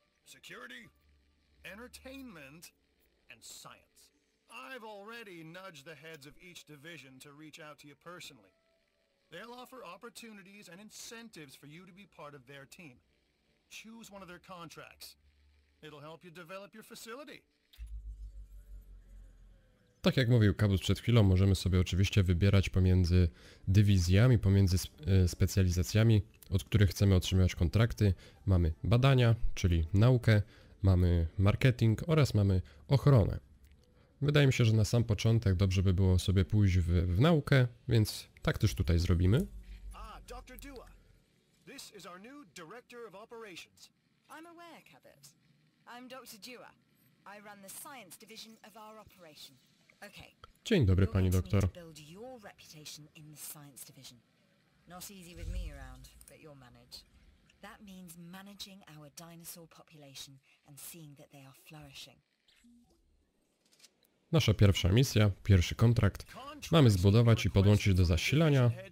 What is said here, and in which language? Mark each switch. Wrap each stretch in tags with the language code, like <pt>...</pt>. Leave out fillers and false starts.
<en>Security, entertainment, and science. I've already nudged the heads of each division to reach out to you personally. They'll offer opportunities and incentives for you to be part of their team. Choose one of their contracts. It'll help you develop your facility.</en> <pl>Tak jak mówił Kabus przed chwilą, możemy sobie oczywiście wybierać pomiędzy dywizjami, pomiędzy specjalizacjami, od których chcemy otrzymywać kontrakty. Mamy badania, czyli naukę, mamy marketing oraz mamy ochronę. Wydaje mi się, że na sam początek dobrze by było sobie pójść w naukę, więc tak też tutaj zrobimy.</pl> <en>Dr. Dua. This is our new director of operations. I'm aware, Cabot. I'm Dr. Dua. I run the science division of our operation. Okay.</en> <pl>Dzień dobry, pani doktor.</pl> <en>Build your reputation in the science division. Not easy with me around, but you'll manage. That means managing our dinosaur population and seeing that they are flourishing.</en> <pl>Nasza pierwsza misja, pierwszy kontrakt. Mamy zbudować i podłączyć do zasilania.</pl>